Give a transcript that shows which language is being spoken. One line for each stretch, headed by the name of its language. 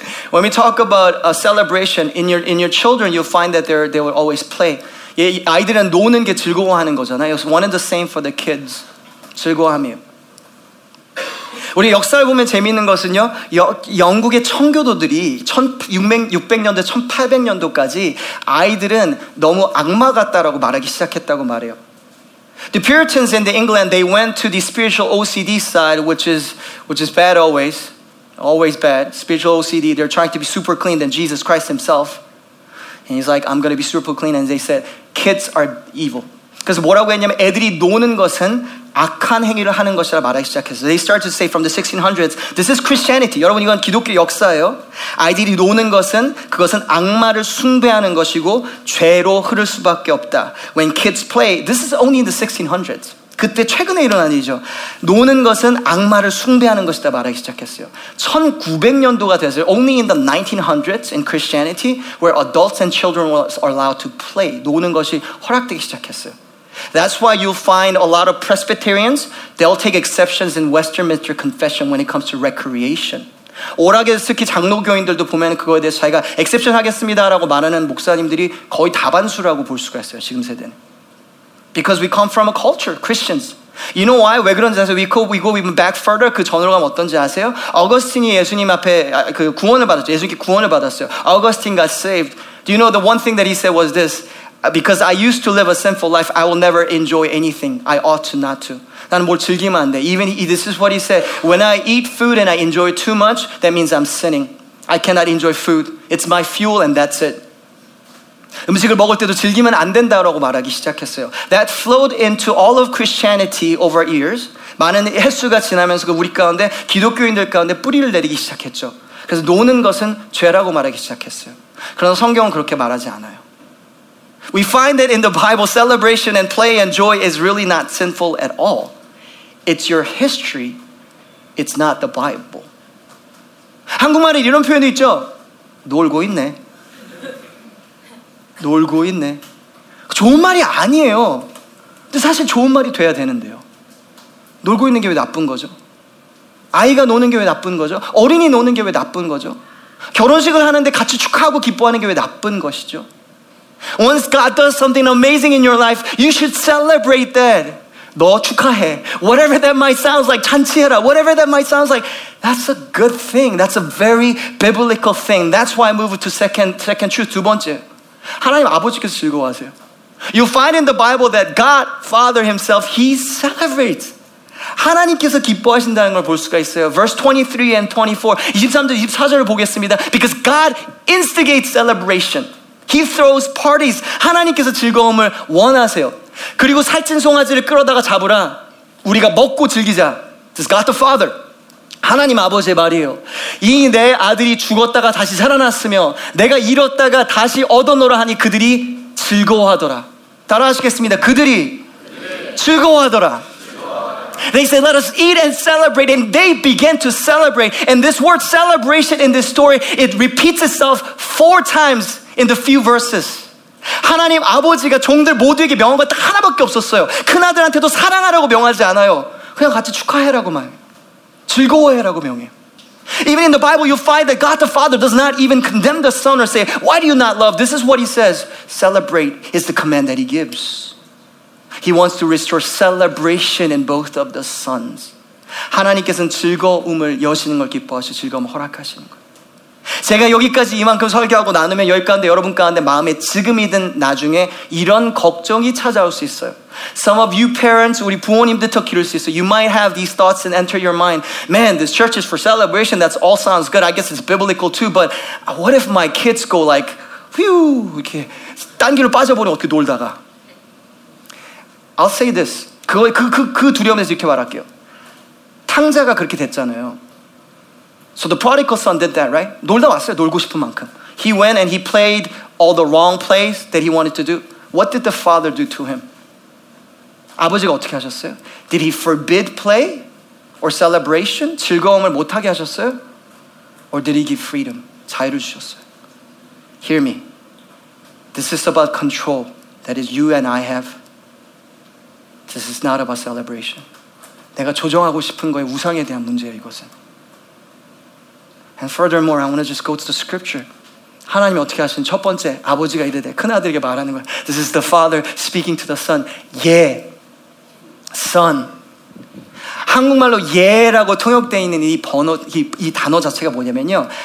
English: when we talk about a celebration in your children, you'll find that they will always play.
Korean: 예, 아이들은 노는 게 즐거워하는 거잖아요.
English: It's one and the same for the kids.
Korean: 즐거워함이에요. 우리 역사를 보면 재미있는 것은요, 영국의 청교도들이 1600년대, 1800년도까지 아이들은 너무 악마 같다라고 말하기 시작했다고 말해요.
English: The Puritans in the England, they went to the spiritual OCD side, which is bad always. Always bad. Spiritual OCD, they're trying to be super clean than Jesus Christ himself. And he's like, I'm going to be super clean. And they said, kids are evil.
Korean: 그래서 뭐라고 했냐면 애들이 노는 것은 악한 행위를 하는 것이라 말하기 시작했어요.
English: They started to say from the 1600s, this is Christianity.
Korean: 여러분 이건 기독교 역사예요. 아이들이 노는 것은 그것은 악마를 숭배하는 것이고 죄로 흐를 수밖에 없다.
English: When kids play, this is only in the 1600s.
Korean: 그때 최근에 일어난 일이죠. 노는 것은 악마를 숭배하는 것이다 말하기 시작했어요. 1900년도가 됐어요.
English: Only in the 1900s in Christianity where adults and children are allowed to play.
Korean: 노는 것이 허락되기 시작했어요.
English: That's why you'll find a lot of Presbyterians, they'll take exceptions in Westminster Confession when it comes to recreation.
Korean: 오락에서 특히 장로교인들도 보면 그거에 대해서 자기가 exception 하겠습니다라고 말하는 목사님들이 거의 다반수라고 볼 수가 있어요, 지금 세대는.
English: Because we come from a culture, Christians. You know why?
Korean: 왜 그런지 아세요?
English: We go even back further.
Korean: 그 전으로 가면 어떤지 아세요? 어거스틴이 예수님 앞에 그 구원을 받았죠. 예수님께 구원을 받았어요.
English: Augustine got saved. Do you know the one thing that he said was this? Because I used to live a sinful life, I will never enjoy anything. I ought to not to.
Korean: 나는 뭘 즐기면 안 돼.
English: Even he, this is what he said. When I eat food and I enjoy too much, that means I'm sinning. I cannot enjoy food. It's my fuel and that's it.
Korean: 음식을 먹을 때도 즐기면 안 된다라고 말하기 시작했어요.
English: That flowed into all of Christianity over years.
Korean: 많은 횟수가 지나면서 우리 가운데 기독교인들 가운데 뿌리를 내리기 시작했죠. 그래서 노는 것은 죄라고 말하기 시작했어요. 그러나 성경은 그렇게 말하지 않아요.
English: We find that in the Bible, celebration and play and joy is really not sinful at all. It's your history. It's not the Bible.
Korean: 한국말에 이런 표현이 있죠. 놀고 있네. 놀고 있네. 좋은 말이 아니에요. 근데 사실 좋은 말이 돼야 되는데요. 놀고 있는 게 왜 나쁜 거죠? 아이가 노는 게 왜 나쁜 거죠? 어린이 노는 게 왜 나쁜 거죠? 결혼식을 하는데 같이 축하하고 기뻐하는 게 왜 나쁜 것이죠?
English: Once God does something amazing in your life, you should celebrate that.
Korean: 너 축하해.
English: Whatever that might sound like,
Korean: 잔치해라.
English: Whatever that might sound like, that's a good thing. That's a very biblical thing. That's why I move to second truth,
Korean: 두 번째. 하나님 아버지께서 즐거워하세요.
English: You'll find in the Bible that God, Father himself, he celebrates.
Korean: 하나님께서 기뻐하신다는 걸 볼 수가 있어요.
English: Verse 23 and 24,
Korean: 23절, 24절을 보겠습니다.
English: Because God instigates celebration. He throws parties.
Korean: 하나님께서 즐거움을 원하세요. 그리고 살찐 송아지를 끌어다가 잡으라. 우리가 먹고 즐기자.
English: This is God the Father.
Korean: 하나님 아버지의 말이에요. 이 내 아들이 죽었다가 다시 살아났으며 내가 잃었다가 다시 얻어노라 하니 그들이 즐거워하더라. 따라하시겠습니다. 그들이 즐거워하더라.
English: They say, let us eat and celebrate. And they began to celebrate. And this word celebration in this story, it repeats itself four times in the few verses.
Korean: 하나님 아버지가 종들 모두에게 명한 것 딱 하나밖에 없었어요. 큰아들한테도 사랑하라고 명하지 않아요. 그냥 같이 축하해라고만. 즐거워해라고 명해.
English: Even in the Bible, you'll find that God the Father does not even condemn the Son or say, why do you not love? This is what he says. Celebrate is the command that he gives. He wants to restore celebration in both of the sons.
Korean: 하나님께서는 즐거움을 여시는 걸 기뻐하시고 즐거움을 허락하시는 거예요. 제가 여기까지 이만큼 설교하고 나누면 여기 가운데 여러분 가운데 마음에 지금이든 나중에 이런 걱정이 찾아올 수 있어요.
English: Some of you parents,
Korean: 우리 부모님들도 기를 수 있어요.
English: You might have these thoughts and enter your mind. Man, this church is for celebration. That all sounds good. I guess it's biblical too. But what if my kids go like, whew,
Korean: 이렇게 딴 길로 빠져버리고 어떻게 놀다가.
English: I'll say this.
Korean: 그 두려움에서 이렇게 말할게요. 탕자가 그렇게 됐잖아요.
English: So the prodigal son did that, right?
Korean: 놀다 왔어요, 놀고 싶은 만큼.
English: He went and he played all the wrong plays that he wanted to do. What did the father do to him?
Korean: 아버지가 어떻게 하셨어요?
English: Did he forbid play or celebration?
Korean: 즐거움을 못하게 하셨어요?
English: Or did he give freedom?
Korean: 자유를 주셨어요.
English: Hear me. This is about control. That is you and I have. This is not about celebration.
Korean: 내가 조정하고 싶은 거에 우상에 대한 문제예요, 이것은.
English: And furthermore, I want to just go to the scripture.
Korean: 하나님이 어떻게 하시는 첫 번째, 아버지가 이르되 큰 아들에게 말하는 거예요.
English: This is the father speaking to the son.
Korean: 예, son. 한국말로 예라고 통역되어 있는 이 단어 자체가 뭐냐면요.